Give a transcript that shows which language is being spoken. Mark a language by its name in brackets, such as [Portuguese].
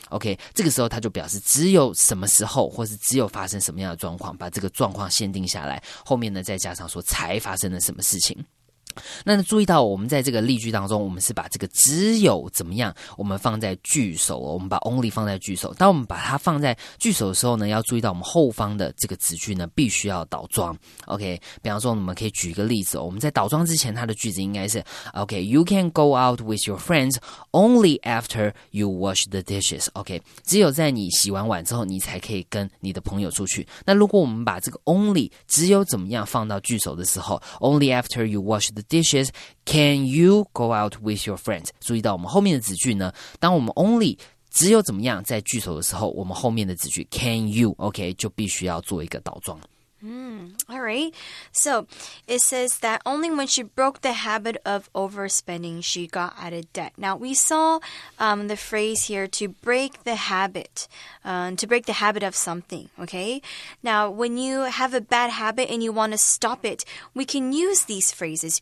[Chinese] OK, 这个时候它就表示只有什么时候，或是只有发生什么样的状况，把这个状况限定下来，后面呢再加上说才发生了什么事情。那注意到我们在这个例句当中，我们是把这个只有怎么样我们放在句首，我们把 only 放在句首。当我们把它放在句首的时候呢，要注意到我们后方的这个子句呢必须要倒装。 OK, 比方说我们可以举一个例子，我们在倒装之前它的句子应该是 OK, [English] you can go out with your friends only after you wash the dishes. [Chinese] OK, 只有在你洗完碗之后你才可以跟你的朋友出去。那如果我们把这个 only 只有怎么样放到句首的时候， [English] only after you wash the dishes, can you go out with your friends? [Chinese] 注意到我们后面的子句呢，当我们 only 只有怎么样在句首的时候，我们后面的子句 can you, OK, 就必须要做一个倒装。 [English] All right. So it says that only when she broke the habit of overspending, she got out of debt. Now, we saw the phrase here to break the habit, to break the habit of something. Okay. Now, when you have a bad habit and you want to stop it, we can use these phrases.